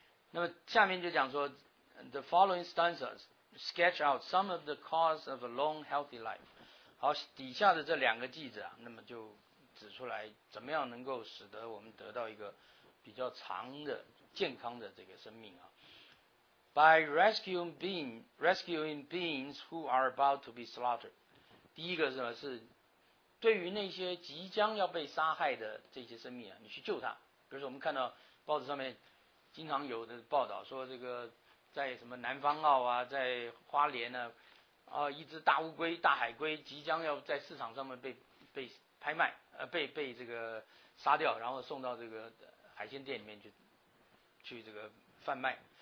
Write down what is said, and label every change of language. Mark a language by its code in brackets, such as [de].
[zh] 那么下面就讲说 [en] ，the following stanzas sketch out some of the cause of a long healthy life。 [zh] 好，底下的这两个句子啊，那么就指出来怎么样能够使得我们得到一个比较长的健康的这个生命啊。 [en] By rescuing beings who are about to be slaughtered. [zh] 第一个是什么？是对于那些即将要被杀害的这些生命啊，你去救他。比如说我们看到报纸上面经常有的报道说，这个在什么南方澳啊，在花莲啊，一只大乌龟、大海龟即将要在市场上面被拍卖，被这个杀掉，然后送到这个海鲜店里面去这个贩卖。